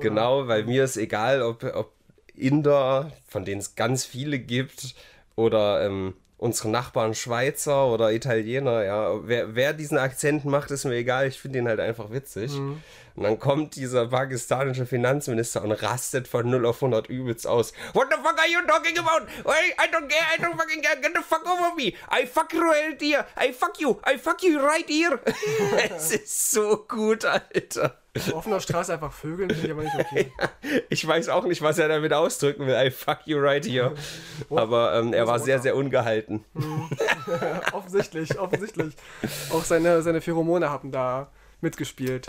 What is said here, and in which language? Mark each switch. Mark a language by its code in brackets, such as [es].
[de] Genau, weil mir ist egal, ob Inder, von denen es ganz viele gibt, oder unsere Nachbarn Schweizer oder Italiener, ja, wer diesen Akzent macht, ist mir egal, ich finde ihn halt einfach witzig. Und dann kommt dieser pakistanische Finanzminister und rastet von 0 auf 100 übelst aus. [en] What the fuck are you talking about? Hey, I don't fucking care, get the fuck over me. I fuck you right here, I fuck you right here. [de] Es ist so gut, Alter. Auf offener Straße einfach Vögeln, finde ich aber nicht okay. Ich weiß auch nicht, was er damit ausdrücken will. [en] I fuck you right here. [de] Aber er war sehr, sehr ungehalten. offensichtlich. Auch seine Pheromone haben da mitgespielt.